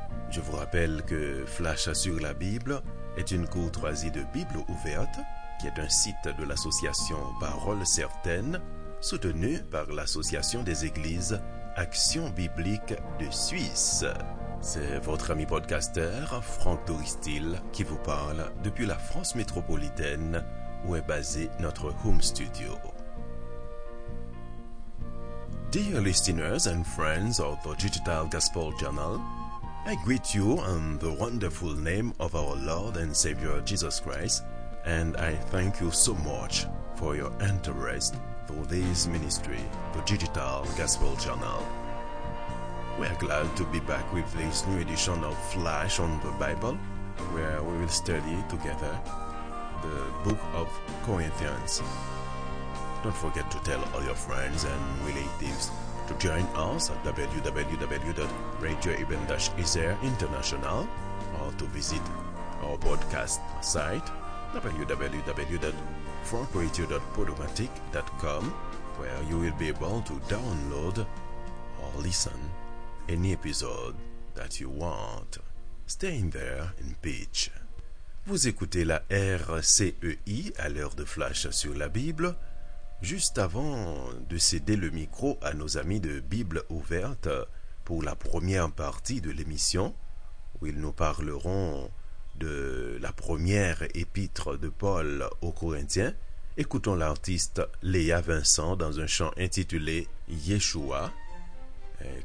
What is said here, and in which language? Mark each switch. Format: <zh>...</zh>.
<fr>Je vous rappelle que Flash sur la Bible est une courtoisie de Bible ouverte, qui est un site de l'association Parole Certaine, soutenue par l'association des églises Action Biblique de Suisse. C'est votre ami podcasteur, Franck Doristil, qui vous parle depuis la France métropolitaine, où est basé notre home studio.</fr> <en>Dear listeners and friends of the Digital Gospel Journal, I greet you in the wonderful name of our Lord and Savior Jesus Christ, and I thank you so much for your interest for this ministry, the Digital Gospel Journal. We are glad to be back with this new edition of Flash on the Bible, where we will study together the Book of Corinthians. Don't forget to tell all your friends and relatives to join us at www.radioeben-ezerinternational or to visit our podcast site www.frankradio.podomatic.com, where you will be able to download or listen any episode that you want. Stay in there in peace.</en> <fr>Vous écoutez la RCEI à l'heure de Flash sur la Bible. Juste avant de céder le micro à nos amis de Bible ouverte pour la première partie de l'émission, où ils nous parleront de la première épître de Paul aux Corinthiens, écoutons l'artiste Léa Vincent dans un chant intitulé « Yeshua ».</fr>